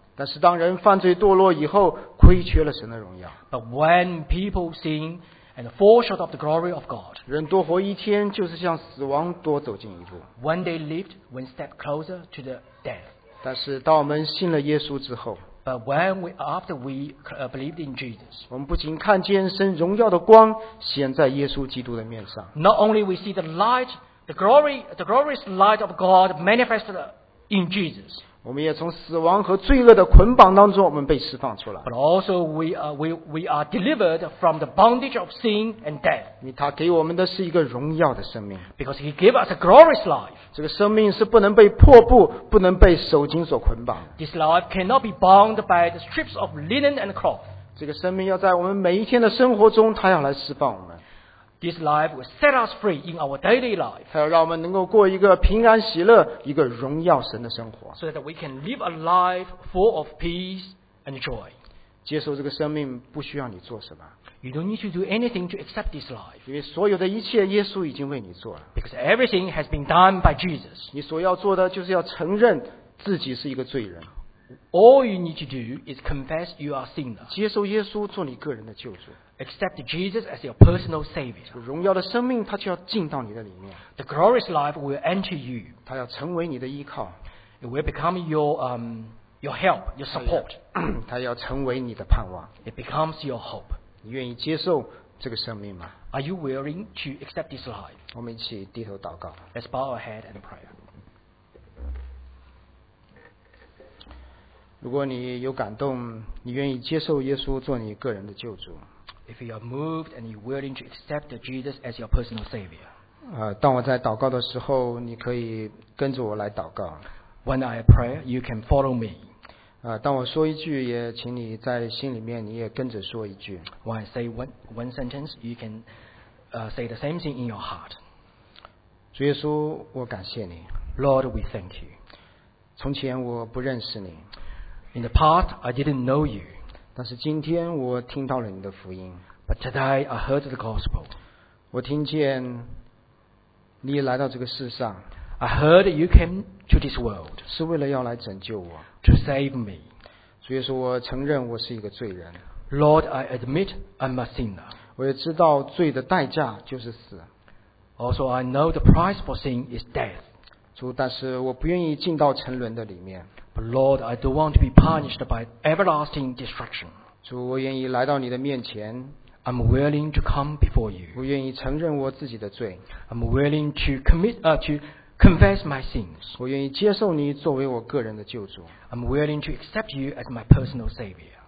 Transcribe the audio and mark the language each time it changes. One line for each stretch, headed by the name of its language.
Chinese: 但是当人犯罪堕落以后亏缺了神的荣耀。
English: But when people sinAnd fall short of the glory of God.
Chinese: 人多活一天，就是向死亡多走近一步。
English: One day lived, one step closer to the death.
Chinese: 但是当我们信了耶稣之后，
English: But when we after we believed in Jesus,
Chinese: 我们不仅看见神荣耀的光显在耶稣基督的面上。
English: Not only we see the light, the glorious light of God manifested in Jesus.
Chinese: 我们也从死亡和罪恶的捆绑当中，我们被释放出来。
English: But also we are delivered from the bondage of sin and death.
Chinese: 因为他给我们的是一个荣耀的生命。
English: Because he gave us a glorious life.
Chinese: 这个生命是不能被破布，不能被手巾所捆绑。
English: This life cannot be bound by the strips of linen and cloth.
Chinese: 这个生命要在我们每一天的生活中，他要来释放我们。
English: This life will set us free in our daily life.
Chinese: 它要让我们能够过一个平安喜乐、一个荣耀神的生活。
English: So that we can live a life full of peace and joy.
Chinese: 接受这个生命不需要你做什么。
English: You don't need to do anything to accept this life.
Chinese: 因为所有的一切耶稣已经为你做了。
English: Because everything has been done by Jesus.
Chinese: 你所要做的就是要承认自己是一个罪人。
English: All you need to do is confess you are a sinner.
Chinese: 接受耶稣做你个人的救主。
English: Accept Jesus as your personal savior.
Chinese: 这个荣耀的生命它就要进到你的里面。
English: The glorious life will enter you.
Chinese: 它要成为你的依靠。
English: It will become your help, your support.
Chinese: 它要成为你的盼望。
English: It becomes your hope.
Chinese: 你愿意接受这个生命吗？
English: Are you willing to accept this life?
Chinese: 我们一起低头祷告。
English: Let's bow our head and pray.
Chinese: 如果你有感动，你愿意接受耶稣做你个人的救主。
English: If you are moved and you're willing to accept Jesus as your personal savior.
Chinese: 当我在祷告的时候，你可以跟着我来祷告。
English: When I pray, you can follow me.
Chinese: 当我说一句，也请你在心里面你也跟着说一句。
English: When I say one sentence, you can say the same thing in your heart.
Chinese: 主耶稣，我感谢你。
English: Lord, we thank you.
Chinese: 从前我不认识你。
English: In the past, I didn't know you.
Chinese: 但是今天我听到了你的福音。
English: But today, I heard the gospel.
Chinese: 我听见你来到这个世上。
English: I heard you came to this world.
Chinese: 是为了要来拯救我。
English: To save me.
Chinese: 主耶稣，我承认我是一个罪人。
English: Lord, I admit I'm a sinner.
Chinese: 我也知道罪的代价就是死。
English: Also, I know the price for sin is death.
Chinese: 主，但是我不愿意进到沉沦的里面。
English: But Lord, I don't want to be punished by everlasting destruction.
Chinese: 主，我愿意来到你的面前。
English: I'm willing to come before you.
Chinese: 我愿意承认我自己的罪。
English: I'm willing to confess my sins.
Chinese: 我愿意接受你作为我个人的救主。
English: I'm willing to accept you as my personal savior.